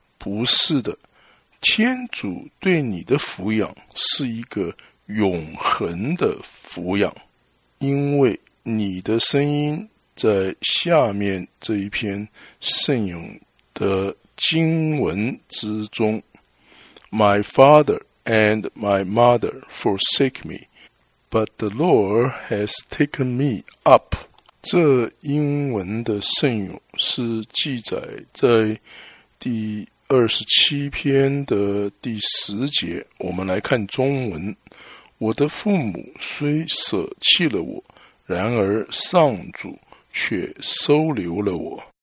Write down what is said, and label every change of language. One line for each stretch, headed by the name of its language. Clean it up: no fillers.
Chinese: 不是的，天主对你的抚养是一个永恒的抚养，因为你的声音在下面这一篇圣咏的经文之中。
English: My father and my mother forsake me, but the Lord has taken me up.
Chinese: 这英文的圣咏是记载在第27篇的第10节。我们来看中文。我的父母虽舍弃了我，然而上主却收留了我。